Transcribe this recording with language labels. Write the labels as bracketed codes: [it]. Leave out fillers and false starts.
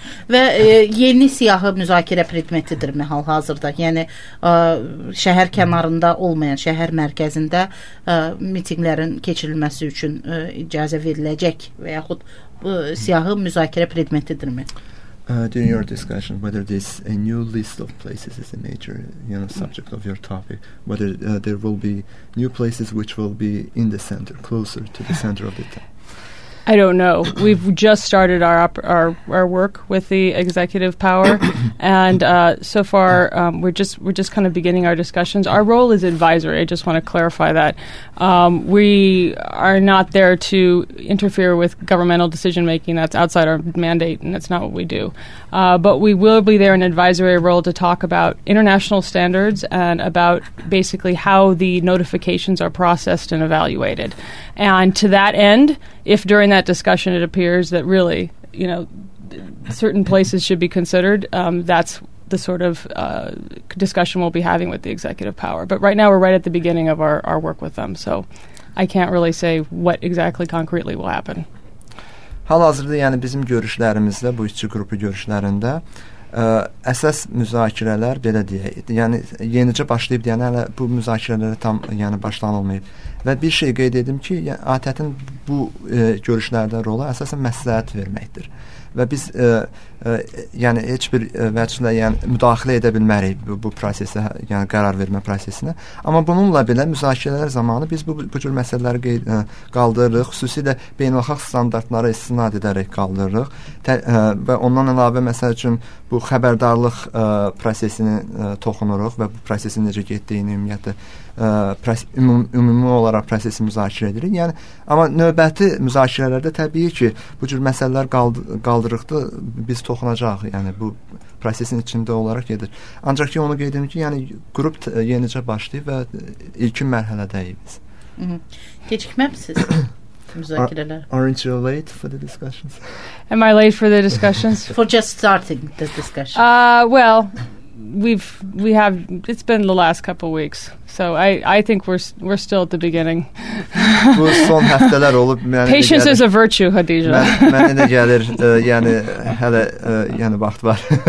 [az] Və yeni siyahı müzakirə predmetidirmi hal-hazırda? Yəni, şəhər kənarında olmayan, şəhər mərkəzində mitinglərin keçirilməsi üçün icazə veriləcək və yaxud siyahı müzakirə predmetidirmi? [en] During your discussion, whether this a new list of places is a major, you know, subject of your topic, whether there will be new places which will be in the center, closer to the center of the town. I don't know. We've just started our work with the executive power, and so far we're just kind of beginning our discussions. Our role is advisory. I just want to clarify that we are not there to interfere with governmental decision making. That's outside our mandate, and that's not what we do. But we will be there in advisory role to talk about international standards and about basically how the notifications are processed and evaluated. And to that end, if during that discussion it appears that really, you know, certain places should be considered, that's the sort of discussion we'll be having with the executive power. But right now we're right at the beginning of our work with them, so I can't really say what exactly concretely will happen. [az] Hal-hazırda, yəni bizim görüşlərimizdə, bu işçi qrupu görüşlərində əsas müzakirələr belə deyək, yəni yenicə başlayıb, yəni hələ bu müzakirələrə tam yəni başlanılmayıb. Və bir şey qeyd edim ki, ATƏT-in bu görüşlərdə rolu əsasən məsləhət verməkdir. Və biz yəni heç bir vəçilə yəni müdaxilə edə bilmərik bu prosesə, yəni qərar vermə prosesinə. Amma bununla belə müzakirələr zamanı biz bu cür məsələləri qaldırırıq, xüsusilə beynəlxalq standartlara istinad edərək qaldırırıq. Və ondan əlavə məsəl üçün bu xəbərdarlıq prosesini toxunuruq və bu prosesin necə getdiyini ümumiyyətlə ümumi olaraq prosesi müzakirə edirik. Yəni, amma növbəti müzakirələrdə təbii ki, bu cür məsələlər qaldırıqda biz toxunacaq, yəni bu prosesin içində olaraq gedir. Ancaq ki, onu qeyd edim ki, yəni qrup yenicə başlayıb və ilkin mərhələdəyik biz. Gecikməmisiniz? [en] Aren't you late for the discussions? Am I late for the discussions? For just starting the discussion. Well, we have it's been the last couple of weeks, so I think we're still at the beginning. [az] Bu son haftalar olub. [en] Patience is a virtue, Hadija. [az] Mənə gəlir, yəni hələ yəni vaxt var.